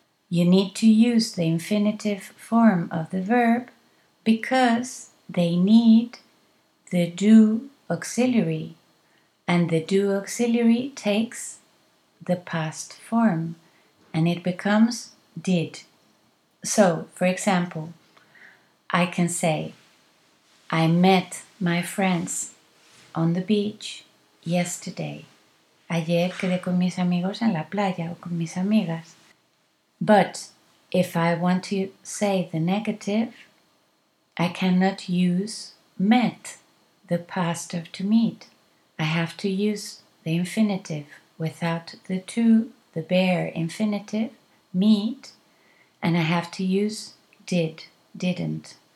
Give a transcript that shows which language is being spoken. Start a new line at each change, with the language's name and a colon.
English: You need to use the infinitive form of the verb because they need the do auxiliary, and the do auxiliary takes the past form and it becomes did. So, for example, I can say, I met my friends on the beach yesterday.
Spanish: Ayer quedé con mis amigos en la playa o con mis amigas.
English: But if I want to say the negative, I cannot use met, the past of to meet. I have to use the infinitive without the to, the bare infinitive, meet, and I have to use did, didn't.